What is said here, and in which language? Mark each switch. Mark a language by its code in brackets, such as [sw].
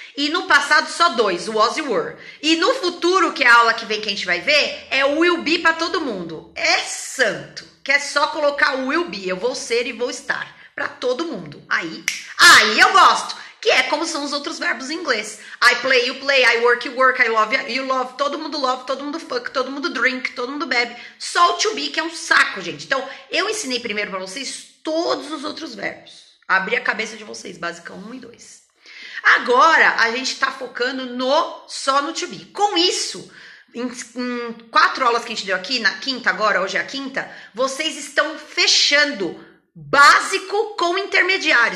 [pt] E no passado, só dois, was e were. E no futuro, que é a aula que vem que a gente vai ver, é will be pra todo mundo. É santo. Que é só colocar will be, eu vou ser e vou estar. Pra todo mundo. Aí eu gosto. Que é como são os outros verbos em inglês. [en] I play, you play, I work, you work, I love, you love. [pt] Todo mundo love, todo mundo fuck, todo mundo drink, todo mundo bebe. Só o to be, que é um saco, gente. Então, eu ensinei primeiro pra vocês todos os outros verbos. Abri a cabeça de vocês, basicão 1 e 2. Agora, a gente tá focando no só no to be. Com isso, em 4 aulas que a gente deu aqui, na quinta agora, hoje é a quinta, vocês estão fechando básico com intermediário.